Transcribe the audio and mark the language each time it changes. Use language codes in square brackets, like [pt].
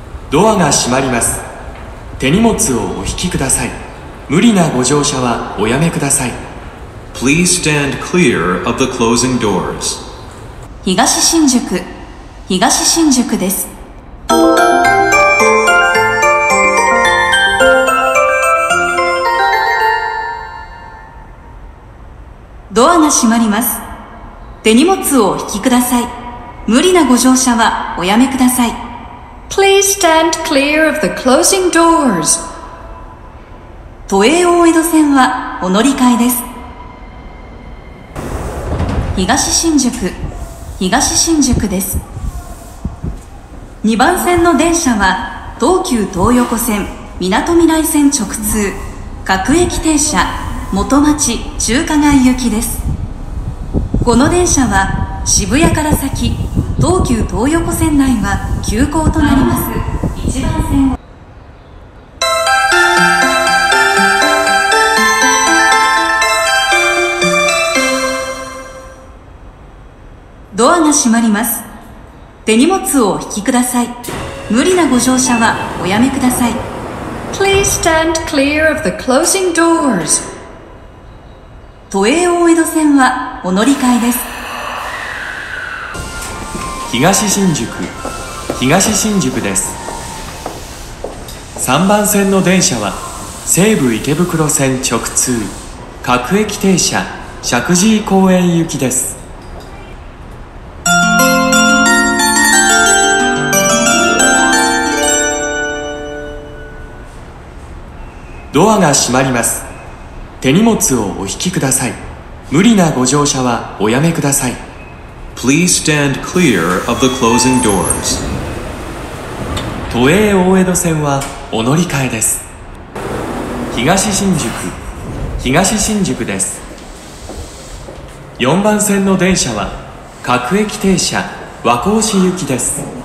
[ja] ドアが閉まります。手荷物をお引きください。無理なご乗車はおやめください。 [en] Please stand clear of the closing doors. [ja] 東新宿です。ドアが閉まります。手荷物をお引きください。無理なご乗車はおやめください。 [en] Please stand clear of the closing doors. [ja] 都営大江戸線はお乗り換えです。東新宿です。2番線の電車は東急東横線みなとみらい線直通各駅停車元町中華街行きです。この電車は渋谷から先東急東横線内は急行となります。 1番線をドアが閉まります。手荷物をお引きください。無理なご乗車はおやめください。 [en] Please stand clear of the closing doors. [ja] 都営大江戸線はお乗り換えです。東新宿です。 3番線の電車は西武池袋線直通各駅停車石神井公園行きです。ドアが閉まります。手荷物をお引きください。無理なご乗車はおやめください。 [en] Please stand clear of the closing doors. [ja] 都営大江戸線はお乗り換えです。東新宿です。 4番線の電車は各駅停車和光市行きです。